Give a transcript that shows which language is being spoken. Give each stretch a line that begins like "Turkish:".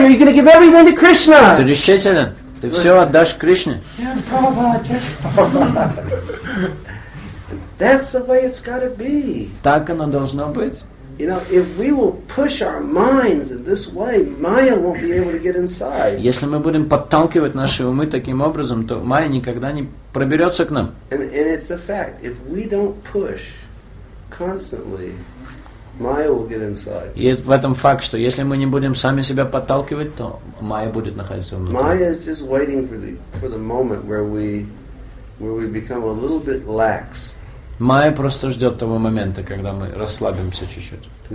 English: Are you going to give everything to Krishna?
Russian: Ты решителен? Ты все отдашь Кришне?
English: Yes, Prabhupada. That's the way it's got to be.
Russian: Так оно должно быть.
English: You know, if we will push our minds in this way, Maya won't be able to get inside.
Russian: Если мы будем подталкивать наши умы таким образом, то Майя никогда не проберется к нам.
English: And it's a fact. If we don't push constantly, Maya will get inside.
Russian: И в этом факт, что если мы не будем сами себя подталкивать, то Майя будет находиться внутри.
English: Maya is just waiting for the moment where we become a little bit lax.
Russian: Майя просто ждет того момента, когда мы расслабимся чуть-чуть.